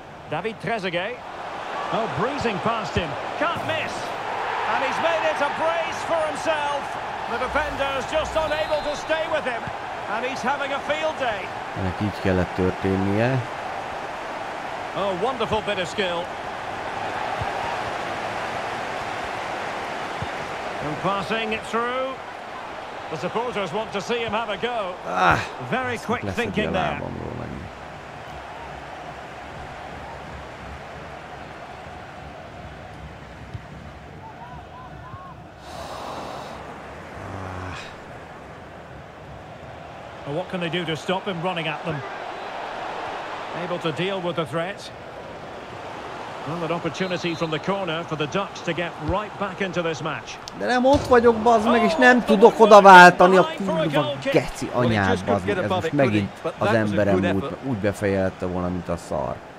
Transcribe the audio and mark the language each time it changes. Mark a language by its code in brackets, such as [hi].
[en] David Trezeguet. Oh, breezing past him. Can't miss. And he's made it a brace for himself. The defender's just unable to stay with him. And he's having a field day. [hu] Ennek így kellett történnie. [en] Oh, wonderful bit of skill. And passing it through. The supporters want to see him have a go. Ah, very quick thinking there. What can they do to stop him running at them? Able to deal with the threat. Well, an opportunity from the corner for the Ducks to get right back into this match. [hu] De nem ott vagyok, bazd meg, és nem tudok odaváltani a kurva geci anyád, bazd meg. Ez most megint az emberem úgy befejezte volna, mint a szar.